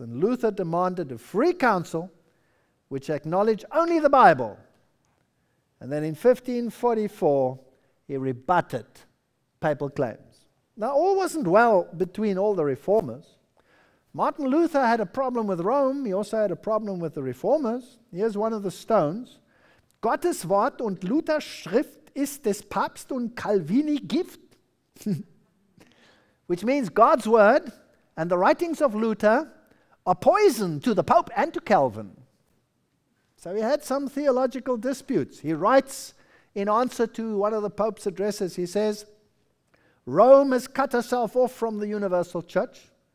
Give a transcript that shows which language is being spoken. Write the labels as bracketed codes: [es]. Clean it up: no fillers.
[en] And Luther demanded a free council which acknowledged only the Bible. And then in 1544, he rebutted papal claims. Now, all wasn't well between all the reformers. Martin Luther had a problem with Rome. He also had a problem with the reformers. Here's one of the stones. [de] "Gottes Wort und Luther Schrift ist des Papst und Calvini Gift." [en] Which means God's word and the writings of Luther are poison to the Pope and to Calvin. So he had some theological disputes. He writes in answer to one of the Pope's addresses, he says, Rome has cut herself off from the universal church.